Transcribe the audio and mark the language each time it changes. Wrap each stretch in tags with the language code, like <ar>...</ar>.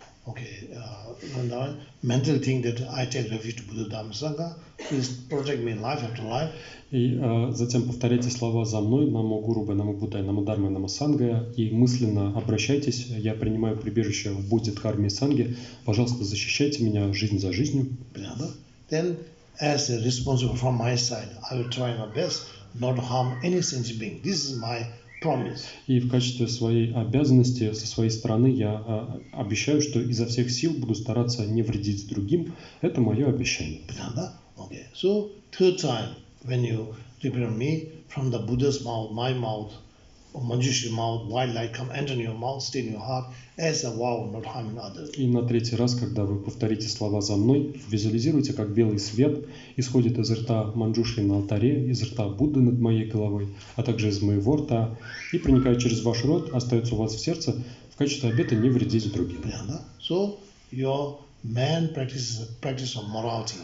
<en>Okay, mental thing that I take refuge to Buddha Dhamma Sangha, please protect me life after life.</en> <ru>И затем повторяйте слова за мной, Намо Гурубе, Намо Буддхе, Намо Дхарме, Намо Сангхе, и мысленно обращайтесь, я принимаю прибежище в Будде Дхарме и Сангхе, пожалуйста, защищайте меня жизнь за жизнью. Понятно?</ru> <en>Then, as a responsible from my side, I will try my best not to harm any sentient being. This is my promise.</en> <ru>И в качестве своей обязанности со своей стороны я обещаю, что изо всех сил буду стараться не вредить другим. Это мое обещание. Понятно? Okay.</ru> <en>So third time when you repeat me from the Buddha's mouth, my mouth, Manjushri mouth, white light come enter your mouth, stay in your heart as a vow, not harming others.</en> <ru>И на третий раз, когда вы повторите слова за мной, визуализируйте, как белый свет исходит из рта Манджушри на алтаре, из рта Будды над моей головой, а также из моего рта, и проникает через ваш рот, остается у вас в сердце в качестве обета не вредить другим. Понятно?</ru> <en>So your man practices practice of morality.</en>